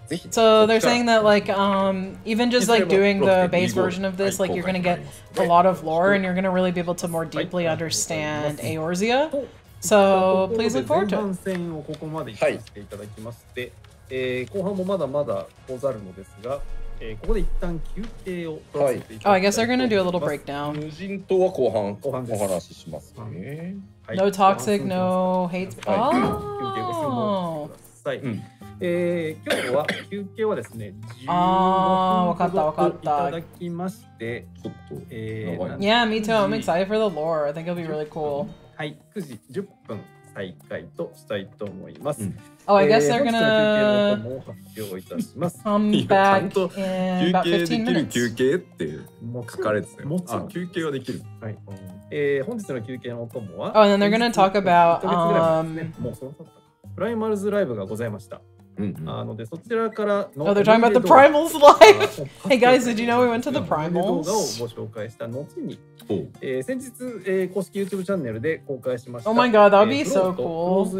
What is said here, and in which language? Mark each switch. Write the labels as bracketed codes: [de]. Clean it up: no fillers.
[en] So they're saying that like even just like doing the base version of this, like you're gonna get a lot of lore and you're gonna really be able to more deeply understand Eorzea. So please look forward to it. [ja] 前半戦をここまで行かせていただきまして、後半もまだまだござるのですが、ここで一旦休憩を取らせていただきます。 [en] Oh, I guess they're gonna do a little breakdown. [ja] 無人島は後半お話ししますね。 [en] No toxic, no hate. Oh. [ja] 休憩をするください。今日は休憩はですね、わかった。いただきまして、ちょっと、 [en] Yeah, me too. I'm excited for the lore. I think it'll be really cool. [ja] はい、9時10分再開としたいと思います。 [en] Oh, I guess they're gonna come back in about 15 minutes. [ja] 休憩って書かれてて、もちろん休憩はできる。はい。本日の休憩のお供は、 [en] oh, and then they're gonna talk about, [ja] もうそのプライマルズライブがございました。うん、なのでそちらからの、 [en] oh, they're talking about the Primals live. Hey guys, did you know we went to the Primals? [ja] 動画をご紹介した後に、先日、公式 YouTube チャンネルで公開しました。 [en] Oh my god, that would be so cool.